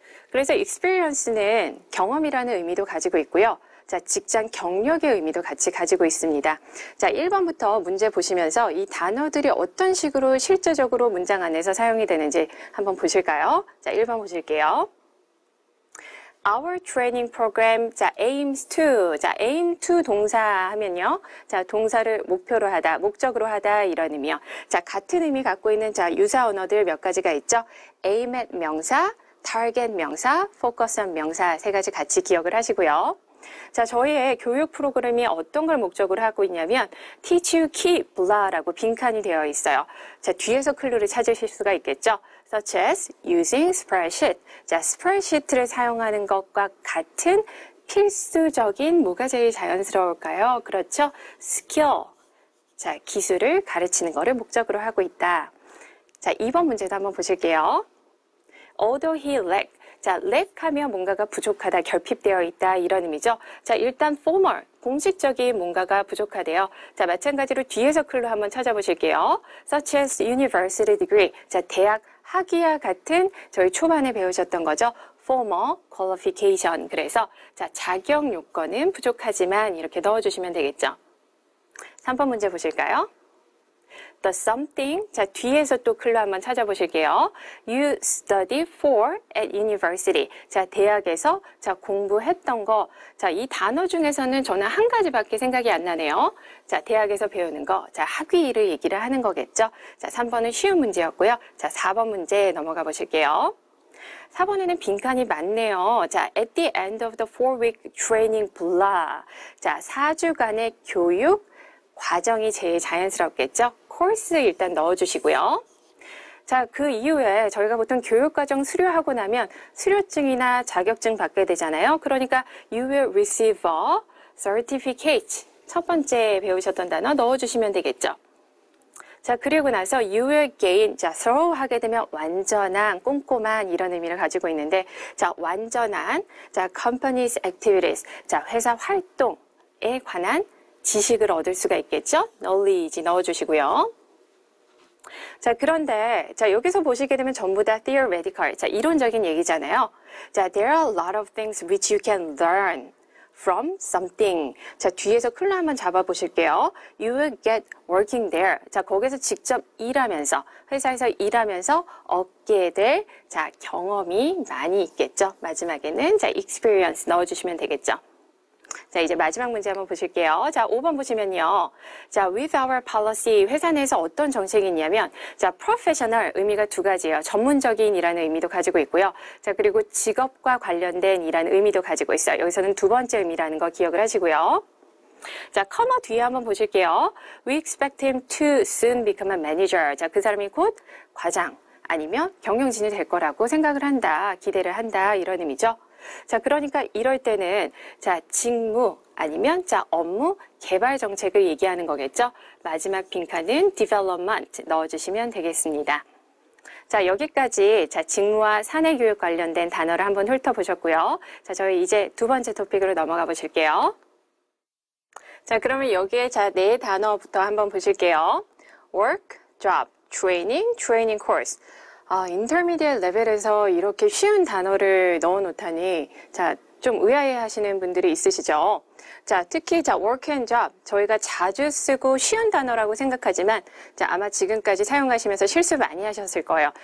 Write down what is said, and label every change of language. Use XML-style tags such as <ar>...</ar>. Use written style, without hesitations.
<ko>그래서 experience는 경험이라는 의미도 가지고 있고요. 자, 직장 경력의 의미도 같이 가지고 있습니다. 자, 1번부터 문제 보시면서 이 단어들이 어떤 식으로 실제적으로 문장 안에서 사용이 되는지 한번 보실까요? 자, 1번 보실게요.</ko> <en>Our training program, 자, aims to, 자, aim to</en> <ko>동사 하면요. 자, 동사를 목표로 하다, 목적으로 하다, 이런 의미요. 자, 같은 의미 갖고 있는, 자, 유사 언어들 몇 가지가 있죠. aim at 명사, target 명사, focus on 명사, 세 가지 같이 기억을 하시고요. 자, 저희의 교육 프로그램이 어떤 걸 목적으로 하고 있냐면</ko> <en>teach you keep blah</en> <ko>라고 빈칸이 되어 있어요. 자, 뒤에서 클루를 찾으실 수가 있겠죠.</ko> <en>such as using spreadsheet.</en> <ko>자, spreadsheet를 사용하는 것과 같은 필수적인 뭐가 제일 자연스러울까요? 그렇죠. skill. 자, 기술을 가르치는 것을 목적으로 하고 있다. 자, 2번 문제도 한번 보실게요.</ko> <en>although he lacked.</en> <ko>자, lack 하면 뭔가가 부족하다, 결핍되어 있다, 이런 의미죠. 자, 일단 formal, 공식적인 뭔가가 부족하대요. 자, 마찬가지로 뒤에서 클로 한번 찾아보실게요.</ko> <en>such as university degree.</en> <ko>자, 대학 학위와 같은 저희 초반에 배우셨던 거죠.</ko> <en>formal qualification.</en> <ko>그래서 자, 자격 요건은 부족하지만 이렇게 넣어주시면 되겠죠. 3번 문제 보실까요?</ko> <en>The something,</en> <ko>자, 뒤에서 또 클로 한번 찾아보실게요.</ko> <en>You study for at university.</en> <ko>자, 대학에서 자, 공부했던 거. 자, 이 단어 중에서는 저는 한 가지밖에 생각이 안 나네요. 자, 대학에서 배우는 거. 자, 학위를 얘기를 하는 거겠죠. 자, 3번은 쉬운 문제였고요. 자, 4번 문제 넘어가 보실게요. 4번에는 빈칸이 많네요.</ko> <en>자, at the end of the 4-week training, blah.</en> <ko>자, 4주간의 교육 과정이 제일 자연스럽겠죠. 코스 일단 넣어주시고요. 자, 그 이후에 저희가 보통 교육과정 수료하고 나면 수료증이나 자격증 받게 되잖아요. 그러니까</ko> <en>you will receive a certificate.</en> <ko>첫 번째 배우셨던 단어 넣어주시면 되겠죠. 자, 그리고 나서</ko> <en>you will gain,</en> <ko>자, throw 하게 되면 완전한, 꼼꼼한 이런 의미를 가지고 있는데 자, 완전한, 자, company's activities, 자, 회사 활동에 관한 지식을 얻을 수가 있겠죠? knowledge 넣어주시고요. 자, 그런데 자, 여기서 보시게 되면 전부 다 theoretical, 자, 이론적인 얘기잖아요.</ko> <en>자, there are a lot of things which you can learn from something.</en> <ko>자, 뒤에서 클로 한번 잡아보실게요.</ko> <en>You will get working there.</en> <ko>자, 거기서 직접 일하면서, 회사에서 일하면서 얻게 될 자, 경험이 많이 있겠죠? 마지막에는 자, experience 넣어주시면 되겠죠? 자, 이제 마지막 문제 한번 보실게요. 자, 5번 보시면요. 자,</ko> <en>with our policy.</en> <ko>회사 내에서 어떤 정책이 있냐면, 자, professional. 의미가 두 가지예요. 전문적인이라는 의미도 가지고 있고요. 자, 그리고 직업과 관련된 이라는 의미도 가지고 있어요. 여기서는 두 번째 의미라는 거 기억을 하시고요. 자, 커머 뒤에 한번 보실게요.</ko> <en>We expect him to soon become a manager.</en> <ko>자, 그 사람이 곧 과장 아니면 경영진이 될 거라고 생각을 한다, 기대를 한다, 이런 의미죠. 자, 그러니까 이럴 때는, 자, 직무 아니면, 자, 업무 개발 정책을 얘기하는 거겠죠. 마지막 빈칸은 development 넣어주시면 되겠습니다. 자, 여기까지, 자, 직무와 사내 교육 관련된 단어를 한번 훑어보셨고요. 자, 저희 이제 두 번째 토픽으로 넘어가 보실게요. 자, 그러면 여기에 자, 네 단어부터 한번 보실게요.</ko> <en>work, job, training course.</en> <ko>아, intermediate level에서 이렇게 쉬운 단어를 넣어 놓다니, 자, 좀 의아해 하시는 분들이 있으시죠? 자, 특히, 자, work and job. 저희가 자주 쓰고 쉬운 단어라고 생각하지만, 자, 아마 지금까지 사용하시면서 실수 많이 하셨을 거예요.</ko>